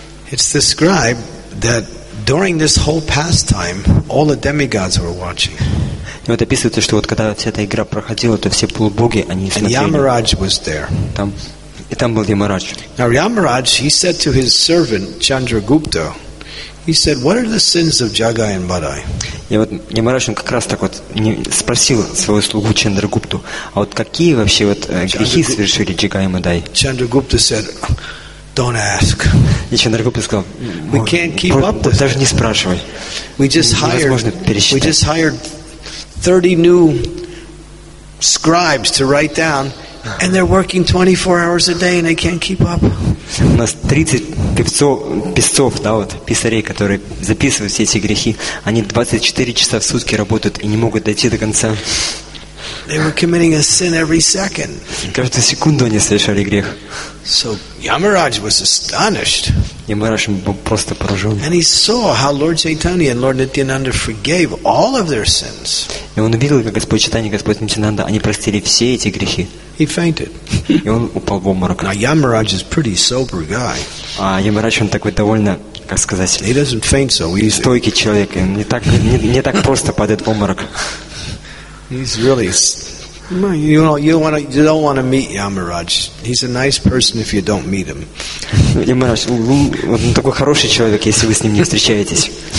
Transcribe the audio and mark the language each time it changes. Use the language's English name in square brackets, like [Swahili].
[English] It's described that during this whole pastime, all the demigods were watching. [Russian] И вот описывается, что вот когда вся эта игра проходила, то все полубоги, они смотрели. [English] And Yamaraj was there. [Russian] Там был Yamaraj. [English] Now Yamaraj, he said to his servant Chandragupta, he said, "What are the sins of Jagai and Madai?" [Russian] И вот Yamaraj, он как раз так вот спросил своего слугу Чандрагупту, а вот какие вообще вот грехи совершили Jagai и Madai? [English] Chandragupta said, "Don't ask." [Russian] И Чандрагупта сказал, [English] "We can't keep up this. [Russian] Даже не спрашивай. [English] We just hired 30 new scribes to write down, and they're working 24 hours a day, and they can't keep up." [Russian] У нас 30 писцов, да, вот писарей, которые записывают все эти грехи. Они 24 часа в сутки работают и не могут дойти до конца. [English] They were committing a sin every second. [Russian] Каждую секунду они совершали грех. [English] So Yamaraj was astonished. [Russian] Yamaraj был просто поражен. [English] And he saw how Lord Chaitanya and Lord Nityananda forgave all of their sins. [Russian] И он увидел, как Господь Чайтанья и Господь Нитьянанда, они простили все эти грехи. [English] He fainted. [Russian] И он упал в обморок. [English] Now Yamaraj is pretty sober guy. [Russian] А Yamaraj, он такой довольно, как сказать, [English] he doesn't faint so easy. [Russian] Стойкий человек, он не так просто падает в обморок. [English] He's really, you don't want to meet Yamaraj. He's a nice person if you don't meet him. [Russian] Yamaraj, он такой хороший человек, если вы с ним не встречаетесь.